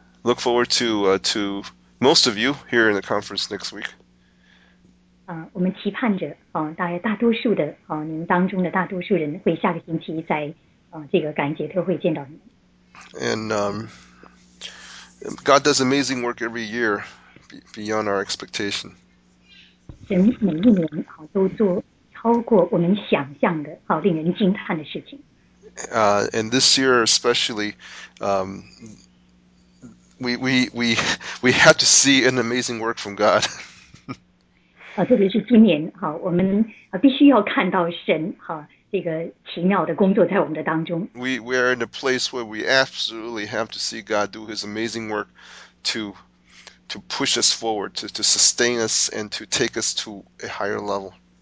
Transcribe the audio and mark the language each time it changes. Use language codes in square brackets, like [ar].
[en] look forward to most of you here in the conference next week. [zh] 我们期盼着大概大多数的您当中的大多数人会下个星期在这个感恩节特会见到你。 [en] And God does amazing work every year beyond our expectation. [zh] 神每一年都做超过我们想象的令人惊叹的事情。 [en] And this year especially, we had to see an amazing work from God. [zh] 特别是今年我们必须要看到神这个奇妙的工作在我们的当中。 [en] We are in a place where we absolutely have to see God do His amazing work to push us forward, to sustain us, and to take us to a higher level.